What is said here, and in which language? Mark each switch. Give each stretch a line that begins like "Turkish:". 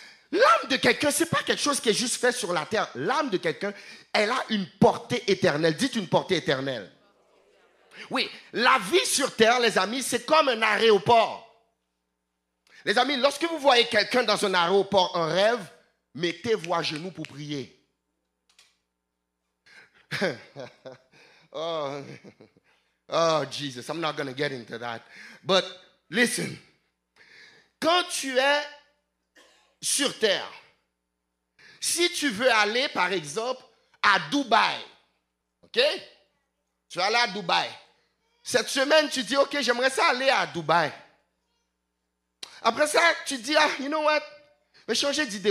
French: L'âme de quelqu'un, ce n'est pas quelque chose qui est juste fait sur la terre. L'âme de quelqu'un, elle a une portée éternelle. Dites une portée éternelle. Oui, la vie sur terre, les amis, c'est comme un aéroport. Les amis, lorsque vous voyez quelqu'un dans un aéroport en rêve, mettez-vous à genoux pour prier.
English: Oh, Jesus, I'm not going to get into that. But listen,
French: quand tu es sur terre, si tu veux aller, par exemple, à Dubaï, OK? Tu vas aller à Dubaï. Cette semaine, tu dis, OK, j'aimerais ça aller à Dubaï. Après ça, tu dis, ah,
English: you know what?
French: Je vais changer d'idée.